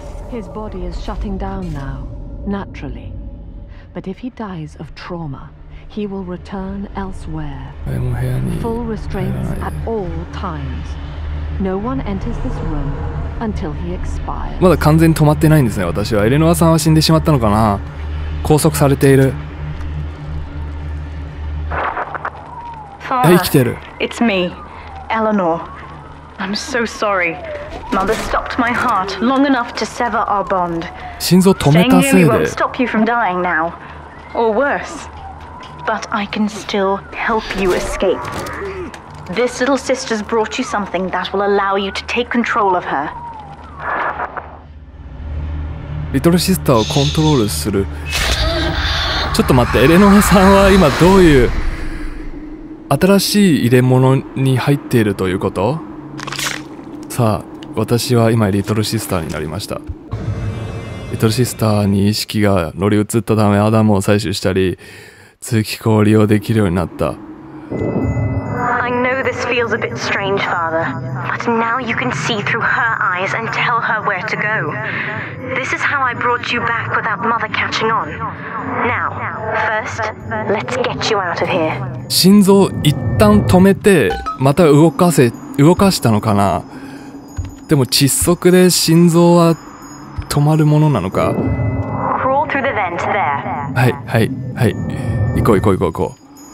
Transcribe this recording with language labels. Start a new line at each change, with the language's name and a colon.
English: His body is shutting down now, naturally. But if he dies of trauma, he will return elsewhere. Full restraints at all times. No one enters this room until he expires.
Japanese: まだ完全に止まってないんですね、私は。エレノアさんは死んでしまったのかな。拘束されている。
English: Sarah,
Japanese: 生きてる。
English: It's me, Eleanor. I'm so sorry. Mother stopped my heart long enough to sever our bond.
Japanese: 心臓止めたせいで。
English: won't stop you from dying now. Or worse. But I can still help you escape. This little sister's brought you something that will allow you to take control of her.
Japanese: リトルシスターをコントロールする。ちょっと待って、エレノアさんは今どういう新しい入れ物に入っているということ？さあ、私は今リトルシスターになりました。リトルシスターに意識が乗り移ったため、アダムを採取したり通気口を利用できるようになった。
English: This feels a bit strange, Father. But now you can see through her eyes and tell her where to go. This is how I brought you back without Mother catching on. Now, first, let's get you out of here.
Japanese: 心臓一旦止めて、また動かしたのかな。でも窒息で心臓は止まるものなのか。
English: Crawl through the vent there.
Japanese: はいはいはい。行こう行こう行こう行こう。